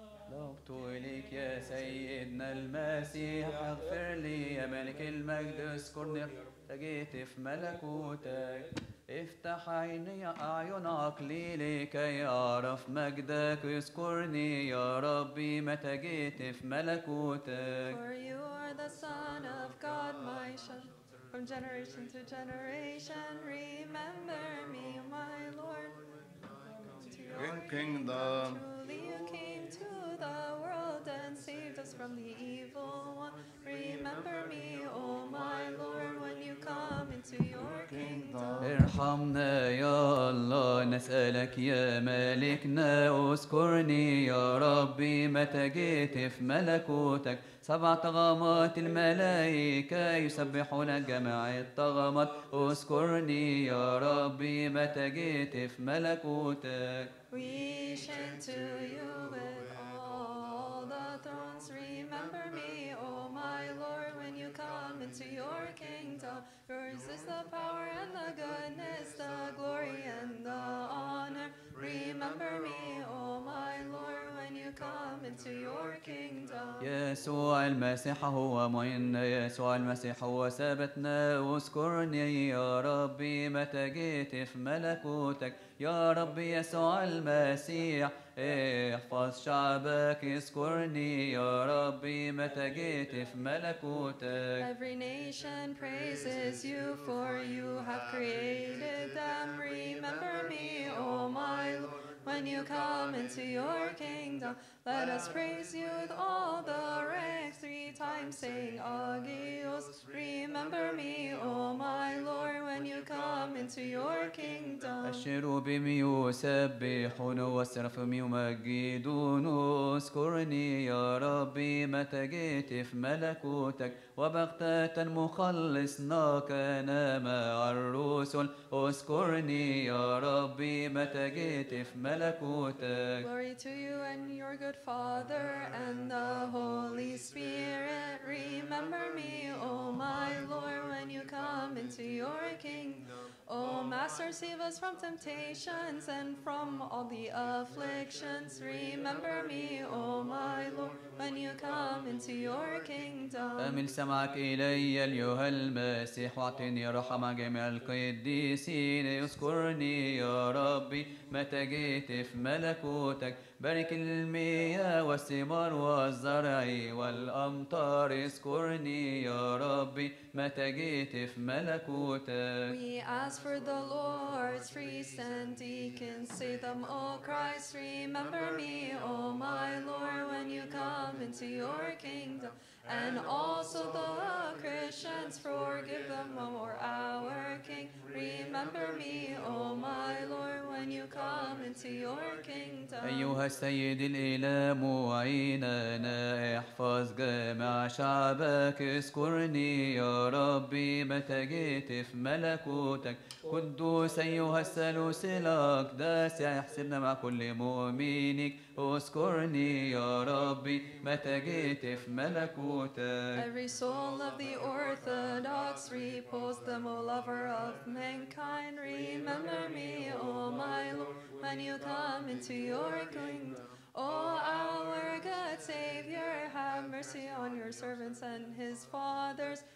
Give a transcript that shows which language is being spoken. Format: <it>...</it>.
<ar>ضغط إليك يا سيدنا المسيح اغفر لي يا ملك المجد اذكرني تجيت في ملكوتك افتح عيني أعين عقلي لكي أعرف مجدك اذكرني يا ربي متى جيت في ملكوتك.</ar> <en>For you are the Son of God, my shepherd, from generation to generation, remember me, my Lord. In kingdom. Truly you came to the world and saved us from the evil one. Remember me, O my Lord, when you come into your kingdom.</en> <ar>ارحمنا يا الله نسألك يا مالكنا اذكرني يا ربي متى جيت في ملكوتك. سبع طغمات الملائكة يسبحون جماعة الطغمات اذكرني يا ربي متى جيت في ملكوتك.</ar> <en>We chant to you with all the thrones. Remember me, O my Lord, when you come into your kingdom. Yours is the power and the goodness, the glory and the honor. Remember me, O my Lord, when you come into your kingdom.</en> <ar>يسوع المسيح هو معيننا. يسوع المسيح هو سابتنا. اذكرني يا ربي متى جيت في ملكوتك. يا ربي يسوع المسيح احفظ شعبك اذكرني يا ربي متى جيت في ملكوتك.</ar> <en>Every nation praises you for you have created them. Remember me, O my Lord, when you come into your kingdom. Let us praise you with all the ranks three times saying Agios. Remember me, O my Lord, when you come into your kingdom.</en> <ar>الشيروبيم يسبحون والسرافيم يمجدون اذكرني يا ربي متى جيت في ملكوتك. وبغتة مخلصناك انا مع الرسل اذكرني يا ربي متى جيت في ملكوتك.</ar> <en>Glory to you and your good Father and the Holy Spirit. Remember me, O my Lord, when you come into your kingdom. O Master, save us from temptations and from all the afflictions. Remember me, O my Lord, when you come into your kingdom.</en> <ar>أمن سمعك إلي أيها المسيح واعطني رحمة جميع القديسين. اذكرني يا ربي متى جيت في ملكوتك. بارك المياه والثمار والزرع والأمطار اذكرني يا ربي متى جيت في ملكوتك.</ar> <en>We ask for the Lord's priests and deacons, say them, O Christ, remember me, O my Lord, when you come into your kingdom. And also the Christians, forgive them, O our King. Remember me, O my Lord, when come into your kingdom.</en> <ar>أيها السيد الإله معيننا احفظ جامع شعبك اذكرني يا ربي متى جيت في ملكوتك قدوس أيها الثالوث الأقداس احسبنا مع كل مؤمنك اذكرني يا ربي متى جيت في ملكوتك</ar> <en>Every soul of the Orthodox repose them O lover of mankind remember me O my Lord when you come into your kingdom O our God, Savior, have mercy on your servants and his fathers.</en>